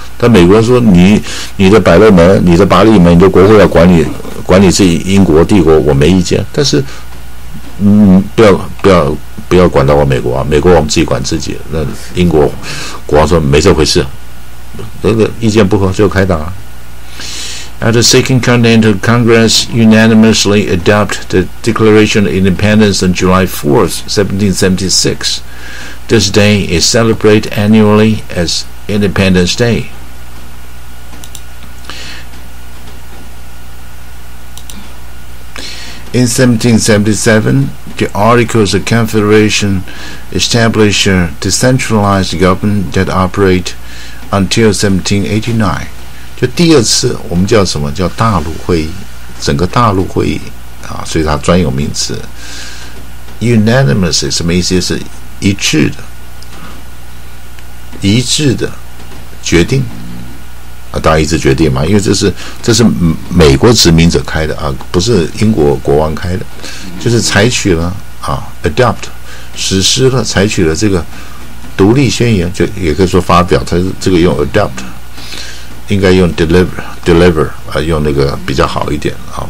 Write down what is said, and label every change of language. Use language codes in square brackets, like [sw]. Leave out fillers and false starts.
[zh] 但美国说你的百乐门，你的巴黎门，你的国会要管理自己英国帝国，我没意见。但是，不要管到我美国啊！美国我们自己管自己。那英国国王说没这回事，那个意见不合就开打。 [en] After Second Continental Congress unanimously adopted the Declaration of Independence on July 4, 1776, this day is celebrated annually as Independence Day. In 1777, the Articles of Confederation established a decentralized government that operated until 1789. [zh] 就第二次我们叫什么叫大陆会议，整个大陆会议啊，所以它专有名词 unanimous 什么意思，是一致的决定啊，大家一致决定嘛，因为这是美国殖民者开的啊，不是英国国王开的，就是采取了啊 adopt 实施了，采取了这个独立宣言，就也可以说发表，它这个用 adopt应该用 deliver 啊，用那个比较好一点啊。